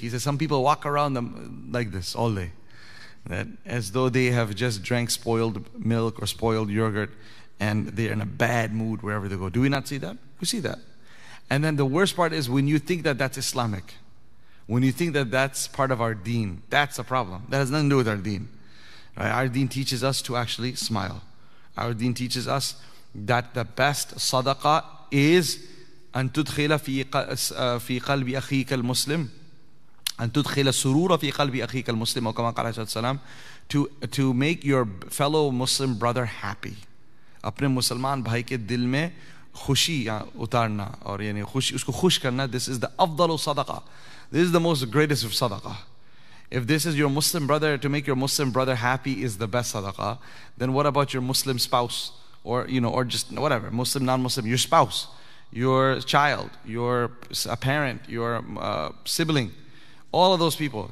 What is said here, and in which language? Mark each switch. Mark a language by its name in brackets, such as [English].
[English] He says some people walk around them like this all day, that as though they have just drank spoiled milk or spoiled yogurt, and they're in a bad mood wherever they go. Do we not see that? We see that. And then the worst part is when you think that that's Islamic, when you think that that's part of our deen, that's a problem. That has nothing to do with our deen. Right? Our deen teaches us to actually smile. Our deen teaches us that the best sadaqah is [Arabic] أن تدخل في قلب أخيك المسلم أن تدخل سرور في قلب أخيك المسلم وكما قال عليه الصلاة والسلام, [English] to make your fellow Muslim brother happy. [Urdu] اپنے مسلمان بھائی کے دل میں خوشی اتارنا اور یعنی خوشی اس کو خوش کرنا. [English] This is the [Arabic] أفضل صدقة. [English] This is the most greatest of صدقة. If this is your Muslim brother, to make your Muslim brother happy is the best صدقة, then what about your Muslim spouse? Or, you know, or just whatever, Muslim, non-Muslim, your spouse, your child, a parent, your sibling, all of those people.